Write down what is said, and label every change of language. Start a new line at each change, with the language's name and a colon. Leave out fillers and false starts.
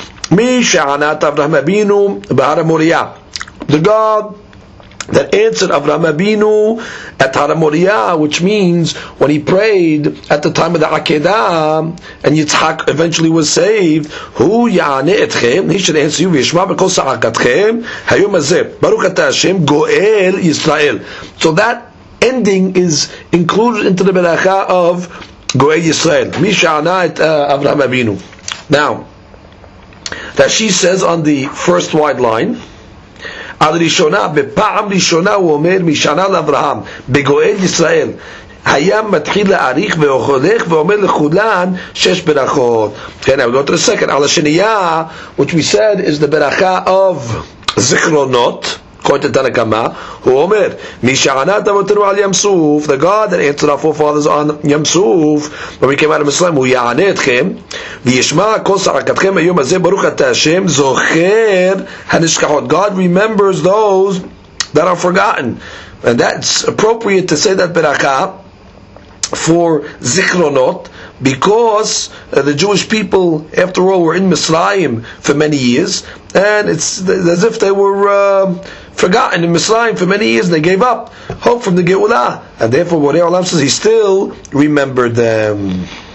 English: Mi she'anat Avraham Avinu b'har Moria. The God that answered Avraham Avinu at Har Moria, which means when he prayed at the time of the Akedah, and Yitzhak eventually was saved, who ya'ane etchem, he should answer you, v'yishma b'kol sa'akatchem, hayom azeh, baruch atah Hashem, goel Yisrael. So that ending is included into the berakha of goel Yisrael.
Hebrew: Mi she'ana et Avraham Avinu. Now, that she says on the first wide line, על ראשונה, בפעם ראשונה הוא אומר משנה לאברהם, בגואל ישראל, היה מתחיל להאריך והולך ואומר לכולן שש ברכות.
English: כן, I'll go to the second.
Hebrew: על השנייה, which we said is the ברכה of זיכרונות, קוראת את הנקמה, הוא אומר, מי שענה את אבותינו על ים סוף, the God that answered our forefathers on ים סוף, when we came out of Islam, הוא יענה אתכם, וישמע כל שחקתכם היום הזה, ברוך אתה השם, זוכר הנשכחות.
English: God remembers those that are forgotten. And that's appropriate to say that ברכה, for זיכרונות, because the Jewish people, after all, were in Mitzrayim for many years, and it's as if they were forgotten in Mitzrayim for many years, and they gave up hope from the Geula, and therefore, Borei Olam says, he still remembered them.